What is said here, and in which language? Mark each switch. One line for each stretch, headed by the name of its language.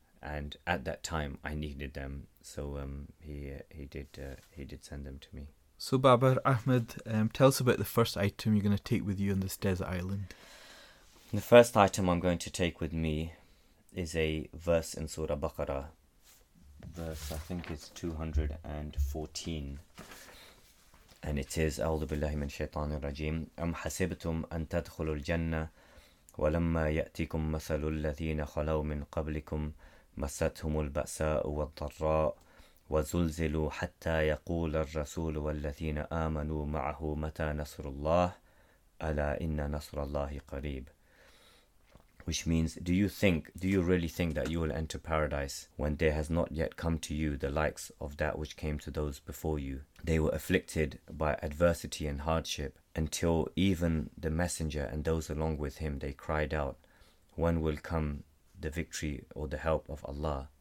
English: And at that time, I needed them, so he did send them to me. So, Babar Ahmed, tell us about the first item you're going to take with you on this desert island. The first item I'm going to take with me is a verse in Surah Baqarah. Verse, I think, is 214. And it is,
Arabic: أعوذ بالله من الشيطان الرجيم أم حسبتم أن تدخلوا الجنة ولما يأتيكم مثل الذين خلوا من قبلكم مستهم البأساء والضراء وزلزلوا حتى يقول الرسول والذين آمنوا معه متى نصر الله ألا إن نصر الله قريب.
English: Which means, do you really think that you will enter paradise when there has not yet come to you the likes of that which came to those before you? They were afflicted by adversity and hardship until even the messenger and those along with him, they cried out, when will come the victory or the help of Allah?